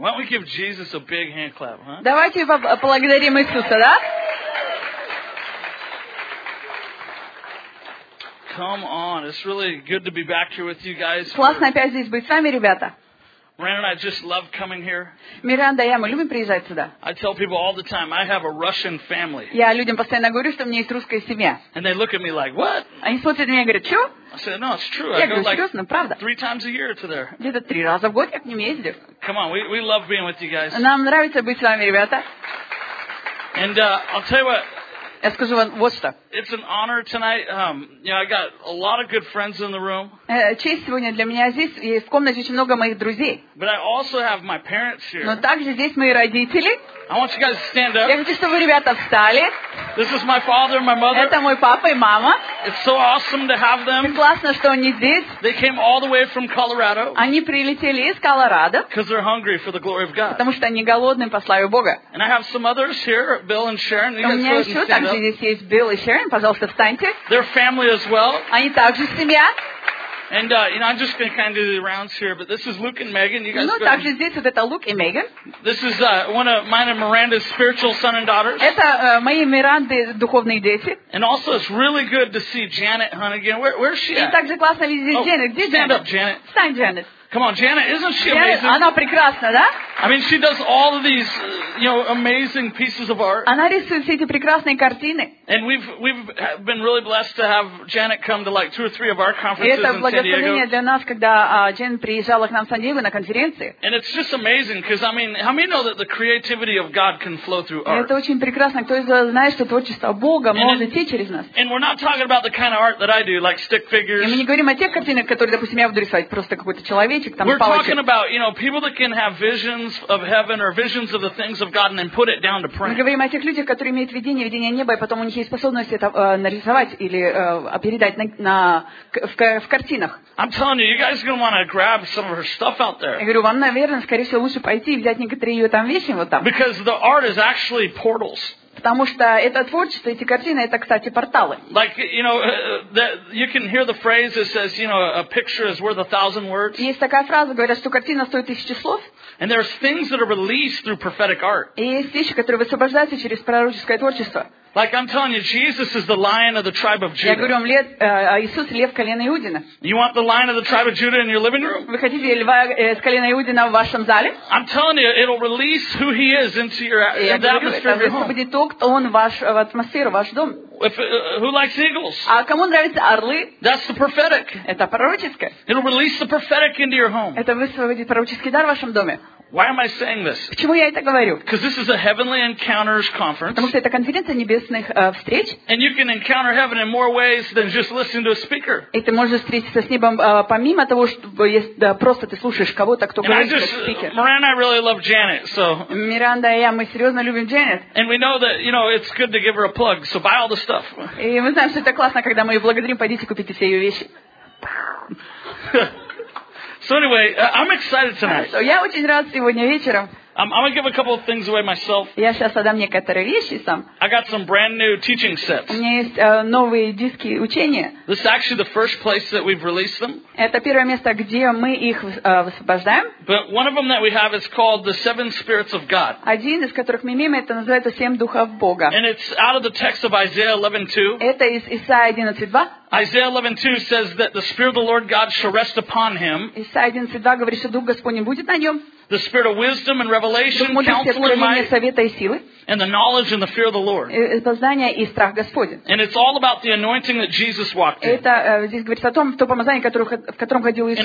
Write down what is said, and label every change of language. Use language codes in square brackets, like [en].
[en] Why don't we give Jesus a big hand clap, huh? [ru] Давайте поблагодарим Иисуса, да? [en] Come on, it's really good to be back here with you guys. [ru] Классно опять здесь быть с вами, ребята. [en] Miranda and I just love coming here. [ru] Миранда и я, мы любим приезжать сюда. [en] I tell people all the time, I have a Russian family. [ru] Я людям постоянно говорю, что у меня есть русская семья. [en] And they look at me like, what? [ru] Они смотрят на меня и говорят, что? [en] I said, no, it's true. [ru] Я говорю, серьезно, правда? [en] Three times a year to there. [ru] Где-то три раза в год я к ним ездил. [en] Come on, we love being with you guys. [ru] Нам нравится быть с вами, ребята. [en] And I'll tell you what. [ru] Я скажу вам вот что. [en] It's an honor tonight. I got a lot of good friends in the room. [ru] Честь сегодня для меня здесь. И в комнате очень много моих друзей. [en] But I also have my parents here. [ru] Но также здесь мои родители. [en] I want you guys to stand up. [ru] Я хочу, чтобы вы, ребята, встали. [en] This is my father and my mother. [ru] Это мой папа и мама. [en] It's so awesome to have them. [ru] И классно, что они здесь. [en] They came all the way from Colorado. [ru] Они прилетели из Колорадо. [en] Because they're hungry for the glory of God. [ru] Потому что они голодны по славе Бога. [en] And I have some others here, Bill and Sharon. [ru] У меня еще также здесь есть Билл и Шерон. Пожалуйста, встаньте. [en] They're family as well. [ru] Они также семья. [en] And I'm just going to kind of do the rounds here, but this is Luke and Megan. You guys. [ru] Ну, также здесь вот это Лук и Меган. [en] This is one of mine and Miranda's spiritual son and daughters. [ru] Это мои Миранды духовные дети. [en] And also, it's really good to see Janet Hunnigan. Where's she at? [ru] И также классно видеть Janet. Где [en] Janet? Stand up, Janet. [ru] Стань, Janet. [en] Come on, Janet, isn't she amazing? [ru] Она прекрасна, да? [en] I mean, she does all of these, amazing pieces of art. [ru] Она рисует все эти прекрасные картины. [en] And we've been really blessed to have Janet come to like two or three of our conferences in San Diego. [ru] Это благословение для нас, когда Джен приезжала к нам в Сан-Диего на конференции. [en] And it's just amazing, because, I mean, how many know that the creativity of God can flow through art? [ru] Это очень прекрасно. Кто из вас знает, что творчество Бога может идти через нас? [en] And we're not talking about the kind of art that I do, like stick figures. [ru] И мы не говорим о тех картинах, которые, допустим, я буду рисовать, просто какой-то человечек, там, палочек. [en] We're talking about, people that can have vision of heaven or visions of the things of God and then put it down to print. [ru] Мы говорим о тех людях, которые имеют видение, видение неба, и потом у них есть способность это нарисовать или передать в картинах. [en] I'm telling you, you guys are going to want to grab some of her stuff out there. [ru] Я говорю, вам, наверное, скорее всего, лучше пойти и взять некоторые ее там вещи вот там. [en] Because the art is actually portals. [ru] Потому что это творчество, эти картины, это, кстати, порталы. [en] Like, you can hear the phrase that says, a picture is worth a thousand words. [ru] Есть такая фраза, говорят, что картина стоит тысячу слов. [en] And there's things that are released through prophetic art. [ru] И есть вещи, которые высвобождаются через пророческое творчество. [en] Like I'm telling you, Jesus is the Lion of the tribe of Judah. [ru] Я говорю вам, Иисус лев колена Иудина. [en] You want the Lion of the tribe of Judah in your living room? [ru] Вы хотите льва из колена Иудина в вашем зале? [en] I'm telling you, it'll release who He is into your atmosphere of your home. [ru] Будет то, кто он в атмосферу ваш дом. [en] Who likes eagles? [ru] А кому нравятся орлы? [en] That's the prophetic. [ru] Это пророческое. [en] It'll release the prophetic into your home. [ru] Это высвободит пророческий дар в вашем доме. [en] Why am I saying this? [ru] Почему я это говорю? [en] Because this is a heavenly encounters conference. [ru] Потому что это конференция небесных встреч. [en] And you can encounter heaven in more ways than just listening to a speaker. [ru] И ты можешь встретиться с небом помимо того, что просто ты слушаешь кого-то, кто говорит, как спикер. [en] Miranda, I really love Janet, so. [ru] Миранда и я, мы серьезно любим Janet. [en] And we know that, it's good to give her a plug, so buy all the stuff. [ru] И мы знаем, что это классно, когда мы ее благодарим, пойдите купите все ее вещи. [en] So anyway, I'm excited tonight. [ru] Я очень рад сегодня вечером. [en] I'm going to give a couple of things away myself. [ru] Я сейчас отдам некоторые вещи сам. [en] I got some brand new teaching sets. [ru] У меня есть новые диски учения. [en] This is actually the first place that we've released them. [ru] Это первое место, где мы их высвобождаем. [en] But one of them that we have is called the Seven Spirits of God. [ru] Один из которых мы имеем, это называется Семь Духов Бога. [en] And it's out of the text of Isaiah 11:2. [ru] Это из Исаия 11:2. [en] Isaiah 11:2 says that the Spirit of the Lord God shall rest upon him. [ru] Исаия 11:2 говорит, что Дух Господень будет на нем. [en] The spirit of wisdom and revelation, counsel and might, and the knowledge and the fear of the Lord. [ru] Познание и страх Господень. [en] And it's all about the anointing that Jesus walked in. [ru] Это здесь говорится о том, то помазание, в котором ходил Иисус.